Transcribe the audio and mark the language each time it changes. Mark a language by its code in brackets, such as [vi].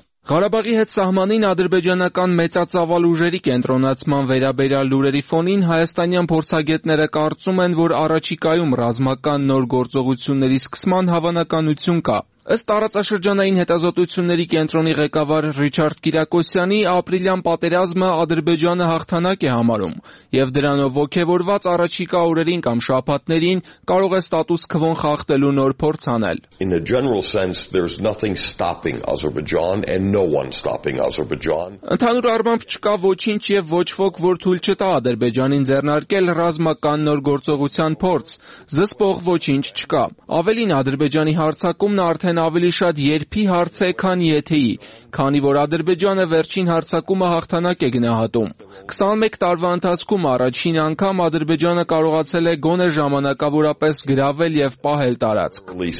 [hy] Ղարաբաղի հետ սահմանին ադրբեջանական մեծածավալ ուժերի կենտրոնացման վերաբերյալ լուրերի ֆոնին հայաստանյան փորձագետները կարծում են, որ առաջիկայում ռազմական նոր գործողությունների սկսման հավանականություն կա։ Ըստ տարածաշրջանային հետազոտությունների կենտրոնի ղեկավար Ռիչարդ Կիրակոսյանի, ապրիլյան պատերազմը Ադրբեջանը հաղթանակ է համարում, և դրանով ոգևորված առաջիկա օրերին կամ շաբաթներին կարող է ստատուս քվոն խախտելու նոր փորձ անել։ [en] In a general sense, there's nothing stopping Azerbaijan and no one stopping Azerbaijan. [hy] Ընդհանուր առմամբ չկա ոչինչ և ոչ ոք, որ թույլ չտա Ադրբեջանին ձեռնարկել ռազմական նոր գործողության փորձ։ Զսպող ոչինչ չկա։ Ավելին, Ադրբեջանի հարցակումն արդեն ավելի շատ երբի հարց է, քան եթեի, քանի որ Ադրբեջանը վերջին հարցակումը հաղթանակ է գնահատում։ 21 տարվա ընթացքում առաջին անգամ Ադրբեջանը կարողացել է գոնե ժամանակավորապես գրավել և պահել տարածք։